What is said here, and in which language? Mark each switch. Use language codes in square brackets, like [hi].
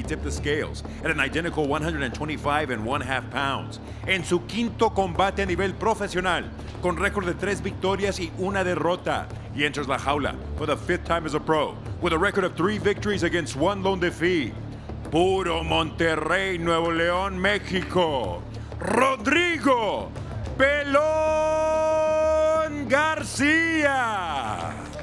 [en] He tipped the scales at an identical 125.5 pounds. [es] En su quinto combate a nivel profesional, con récord de 3 victorias y 1 derrota. [en] He enters [es] la jaula [en] for the 5th time as a pro, with a record of 3 victories against 1 lone defeat. [es] Puro Monterrey, Nuevo León, México. Rodrigo Pelón García.